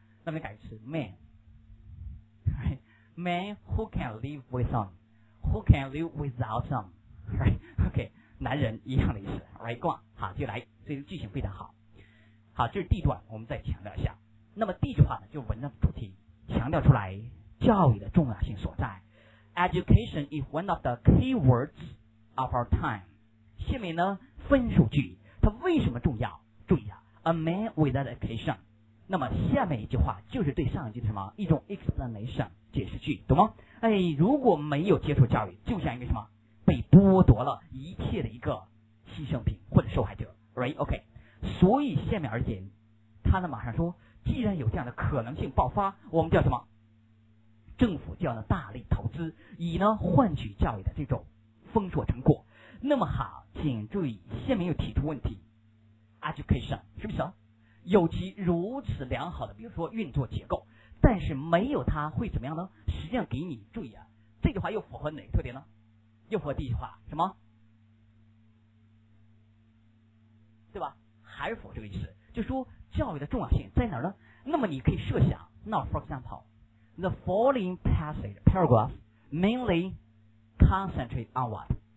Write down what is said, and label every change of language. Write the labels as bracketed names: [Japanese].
[Chinese] 那么改词 [English] man、right? man who can live with them, who can live without them, right, OK, [Chinese] 男人一样的意思 [English] right, go on, [Chinese] 好，就来，所以这个句型非常好。好，这是地段，我们再强调一下。那么第一句话呢，就文章的主题，强调出来教育的重要性所在。 [English] Education is one of the key words of our time. [Chinese] 下面呢，分数句，它为什么重要？注意啊 ， [English] A man without education. [Chinese] 那么下面一句话就是对上一句的什么一种 explanation 解释句，懂吗？哎，如果没有接受教育，就像一个什么被剥夺了一切的一个牺牲品或者受害者 ，right? [English] OK. [Chinese] 所以下面而言，他呢马上说。既然有这样的可能性爆发，我们叫什么？政府就要呢大力投资，以呢换取教育的这种丰硕成果。那么好，请注意，下面又提出问题 ：education 是不是？有其如此良好的，比如说运作结构，但是没有它会怎么样呢？实际上给你注意啊，这句话又符合哪个特点呢？又符合第一句话什么？对吧？还是符合这个意思，就说。教育的重要性在哪儿呢？那么你可以设想 [English] Now for example, The following passage paragraph mainly concentrate on what?